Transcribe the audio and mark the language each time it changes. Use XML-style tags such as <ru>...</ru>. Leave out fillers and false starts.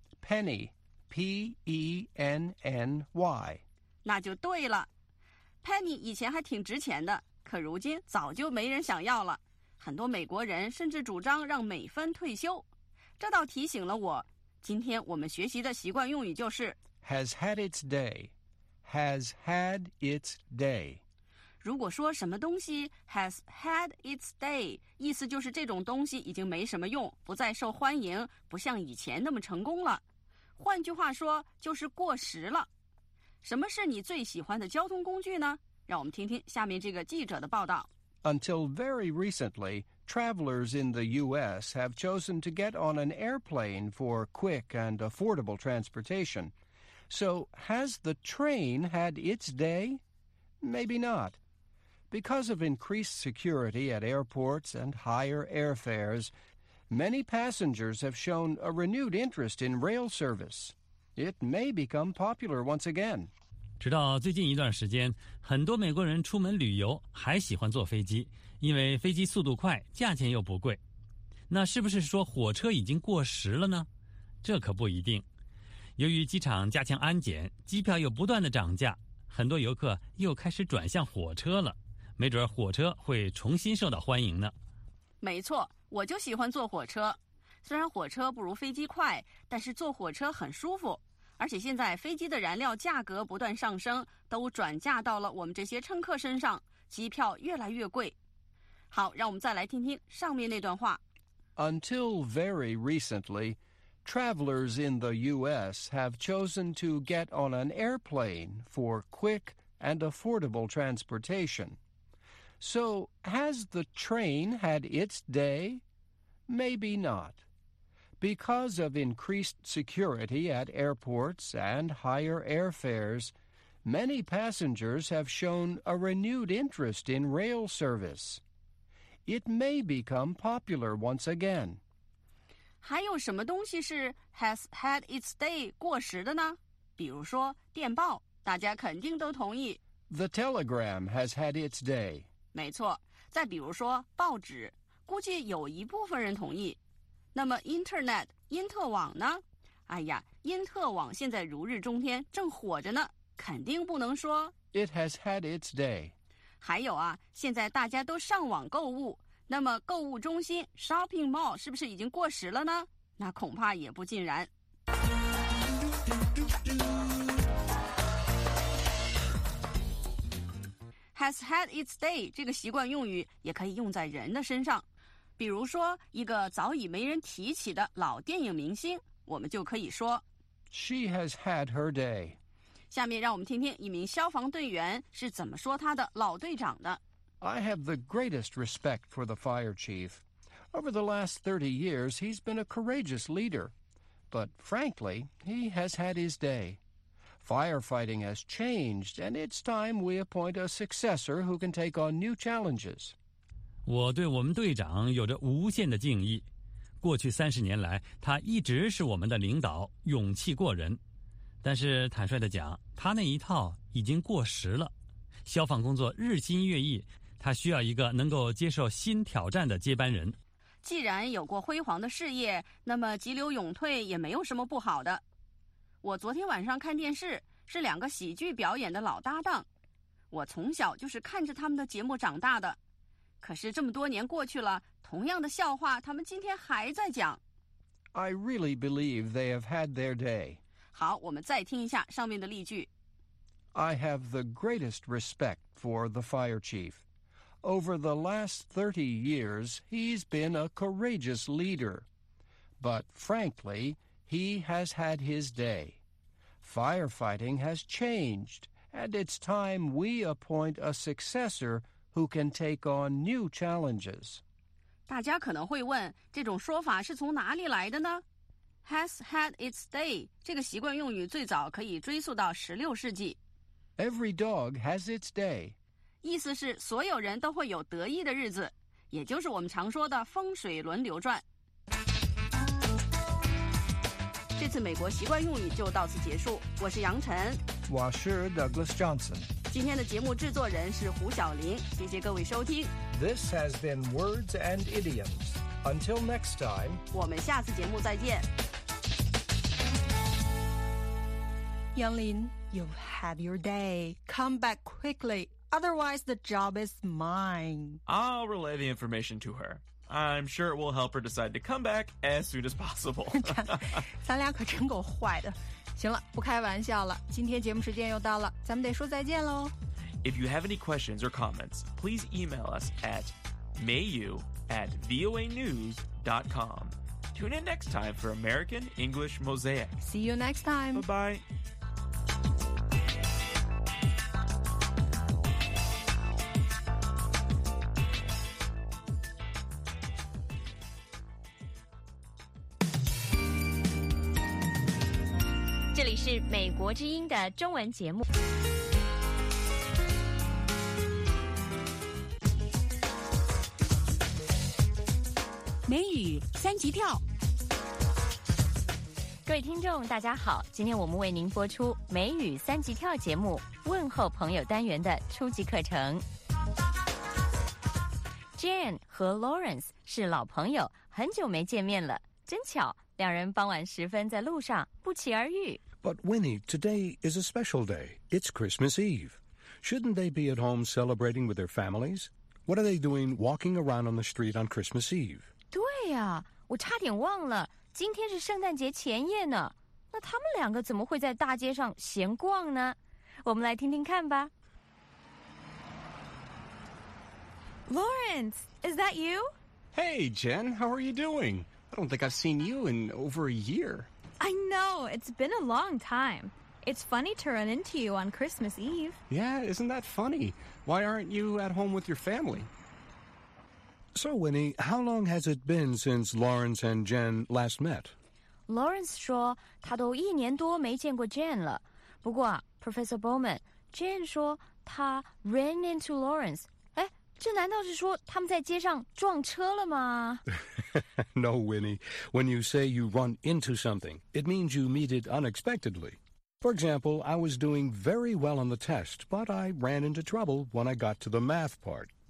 <en>penny。 P-E-N-N-Y</en> <zh>那就对了 Penny 以前还挺值钱的可如今早就没人想要了很多美国人甚至主张让美分退休这倒提醒了我今天我们学习的习惯用语就是</zh> <en>Has had its day Has had its day</en> <zh>如果说什么东西</zh> <en>Has had its day</en> <zh>意思就是这种东西已经没什么用不再受欢迎不像以前那么成功了换句话说就是过时了什么是你最喜欢的交通工具呢让我们听听下面这个记者的报道</zh> <en>Until very recently, travelers in the U.S. have chosen to get on an airplane for quick and affordable transportation. So, has the train had its day? Maybe not. Because of increased security at airports and higher airfares, many passengers have shown a renewed interest in rail service. It may become popular once again.</en> <zh>直到最近一段时间，很多美国人出门旅游还喜欢坐飞机，因为飞机速度快，价钱又不贵。那是不是说火车已经过时了呢？这可不一定。由于机场加强安检，机票又不断的涨价，很多游客又开始转向火车了，没准火车会重新受到欢迎呢。没错，我就喜欢坐火车，虽然火车不如飞机快，但是坐火车很舒服，而且现在飞机的燃料价格不断上升，都转嫁到了我们这些乘客身上，机票越来越贵。好，让我们再来听听上面那段话。 Until very recently, travelers in the U.S. have chosen to get on an airplane for quick and affordable transportation. So, has the train had its day? Maybe not. Because of increased security at airports and higher airfares, many passengers have shown a renewed interest in rail service. It may become popular once again. 还有什么东西是</zh> <en>has had its day</en> <zh>过时的呢？比如说电报，大家肯定都同意。</zh> <en>The telegram has had its day.</en> <zh>没错，再比如说报纸，估计有一部分人同意。那么 Internet 因特网呢？哎呀，因特网现在如日中天，正火着呢，肯定不能说</zh> <en>It has had its day.</en> <zh>还有啊，现在大家都上网购物，那么购物中心 Shopping Mall 是不是已经过时了呢？那恐怕也不尽然。</zh> <en>Has had its day</en> <zh>这个习惯用语也可以用在人的身上，比如说一个早已没人提起的老电影明星，我们就可以说</zh> <en>She has had her day.</en> <zh>下面让我们听听一名消防队员是怎么说他的老队长的。</zh> <en>I have the greatest respect for the fire chief. Over the last 30 years, he's been a courageous leader. But frankly, he has had his day. Firefighting has changed, and it's time we appoint a successor who can take on new challenges.</en> <zh>我对我们队长有着无限的敬意。过去30年来，他一直是我们的领导，勇气过人。但是坦率地讲，他那一套已经过时了。消防工作日新月异，他需要一个能够接受新挑战的接班人。既然有过辉煌的事业，那么急流勇退也没有什么不好的。我昨天晚上看电视，是两个喜剧表演的老搭档，我从小就是看着他们的节目长大的。可是这么多年过去了，同样的笑话他们今天还在讲。</zh> <en>I really believe they have had their day.</en> <zh>好，我们再听一下上面的例句。</zh> <en>I have the greatest respect for the fire chief. Over the last 30 years, he's been a courageous leader. But frankly, he has had his day. Firefighting has changed, and it's time we appoint a successor who can take on new challenges.</en> <zh>大家可能会问，这种说法是从哪里来的呢？</zh> <en>Has had its day</en> <zh>这个习惯用语最早可以追溯到16世纪。</zh> <en>Every dog has its day.</en> <zh>意思是所有人都会有得意的日子，也就是我们常说的风水轮流转。这次美国习惯用语就到此结束，我是杨晨，我是 Douglas Johnson。今天的节目制作人是胡晓玲，谢谢各位收听。</zh> <en>This has been Words and Idioms. Until next time,</en> <zh>我们下次节目再见。</zh> <en>杨林 you have your day. Come back quickly. Otherwise, the job is mine. I'll relay the information to her. I'm sure it will help her decide to come back as soon as possible.</en> <zh>咱俩可真够坏的。行了，不开玩笑了，今天节目时间又到了，咱们得说再见喽。</zh> <en>If you have any questions or comments, please email us at mayu@voanews.com. Tune in next time for American English Mosaic. See you next time. Bye-bye.</en> <zh>是美国之音的中文节目。美语三级跳。各位听众大家好，今天我们为您播出美语三级跳节目问候朋友单元的初级课程。 Jane 和 Lawrence 是老朋友，很久没见面了，真巧两人傍晚时分在路上不期而遇。</zh> <en>But Winnie, today is a special day. It's Christmas Eve. Shouldn't they be at home celebrating with their families? What are they doing walking around on the street on Christmas Eve?</en> <zh>对呀、啊，我差点忘了，今天是圣诞节前夜呢。那他们两个怎么会在大街上闲逛呢？我们来听听看吧。</zh> <en>Lawrence, is that you? Hey, Jen, how are you doing? I don't think I've seen you in over a year. I know, it's been a long time. It's funny to run into you on Christmas Eve. Yeah, isn't that funny? Why aren't you at home with your family? So, Winnie, how long has it been since Lawrence and Jen last met?</en> <zh>Lawrence 说他都一年多没见过 Jen 了。不过啊 ,Professor Bowman, Jen 说他</zh> <en>ran into</en> <zh>Lawrence. 哎，这难道是说他们在街上撞车了吗？</zh> <en>No, Winnie. When you say you run into something, it means you meet it unexpectedly. For example, I was doing very well on the test, but I ran into trouble when I got to the math part.</en>